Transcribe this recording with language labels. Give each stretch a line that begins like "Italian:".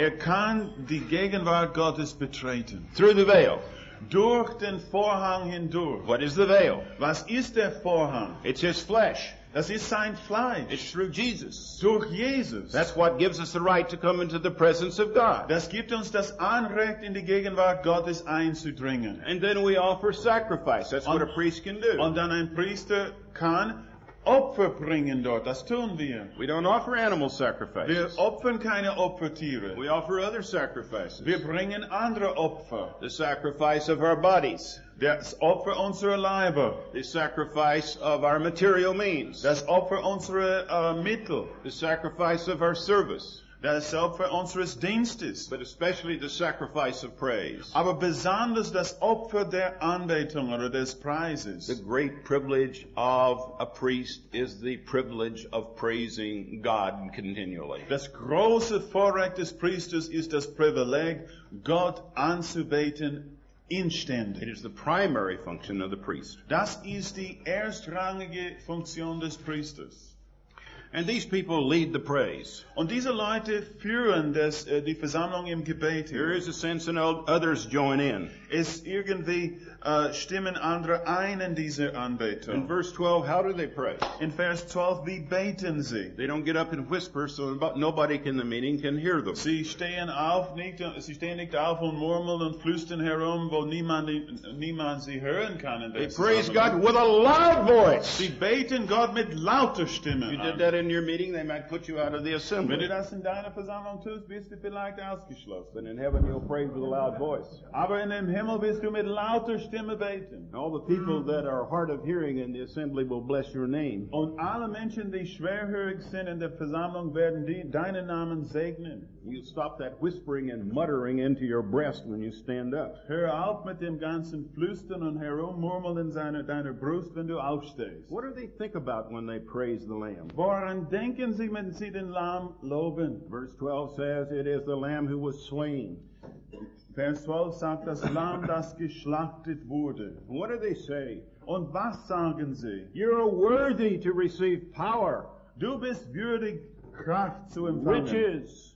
German: Er kann die Gegenwart Gottes betreten.
English: Through the veil.
German: Durch den Vorhang hindurch.
English: What is the veil?
German: Was ist der Vorhang?
English: It's his flesh.
German: Das ist sein Fleisch.
English: It's through Jesus.
German: Durch Jesus.
English: That's what gives us the right to come into the presence of God.
German: Das gibt uns das Anrecht, in die Gegenwart Gottes einzudringen.
English: And then we offer sacrifice. That's what a priest can do.
German: Und dann ein Priester kann Opfer bringen dort. Das tun wir.
English: We don't offer animal sacrifices.
German: Wir opfern keine Opfertiere.
English: We offer other sacrifices.
German: Wir bringen andere Opfer.
English: The sacrifice of our bodies.
German: Das Opfer unserer Leiber.
English: The sacrifice of our material means.
German: Das Opfer unserer Mittel.
English: The sacrifice of our service.
German: Das Opfer unseres Dienstes.
English: But especially the sacrifice of praise.
German: Aber besonders das Opfer der Anbetung oder des Preises.
English: The great privilege of a priest is the privilege of praising God continually.
German: Das große Vorrecht des Priesters ist das Privileg, Gott anzubeten.
English: It is the primary function of the priest.
German: Das ist die erstrangige Funktion des Priesters.
English: And these people lead the praise.
German: Und diese Leute führen das, die Versammlung im Gebet.
English: There is a sense in others join in.
German: Es irgendwie stimmen andere ein in diese Anbetung.
English: In verse 12, how do they pray?
German: In Vers 12, wie beten sie?
English: They don't get up and whisper, so about nobody in the meeting can hear them.
German: Sie stehen nicht auf und murmeln und flüstern herum, wo niemand sie hören kann.
English: They praise God with a loud voice.
German: Sie beten Gott mit lauter Stimme.
English: If you did that in your meeting, they might put you out of the assembly.
German: Wenn du das in deiner Versammlung tust, bist du vielleicht ausgeschlossen.
English: But in heaven, you'll pray with a loud voice.
German: Aber in dem Himmel bist du mit lauter Stimme beten.
English: All the people that are hard of hearing in the assembly will bless your name.
German: Und alle Menschen, die schwerhörig sind in der Versammlung, werden deinen Namen segnen.
English: You stop that whispering and muttering into your breast when you stand up.
German: Hör auf mit dem ganzen Flüstern und herummurmeln in deiner Brust, wenn du aufstehst.
English: What do they think about when they praise the Lamb?
German: Woran denken sie, wenn sie den Lamm loben?
English: Verse 12 says, it is the Lamb who was slain.
German: Vers 12 sagt, das Lamm, das geschlachtet wurde.
English: What do they say?
German: Und was sagen sie?
English: You're worthy to receive power.
German: Du bist würdig, Kraft zu empfangen.
English: Riches.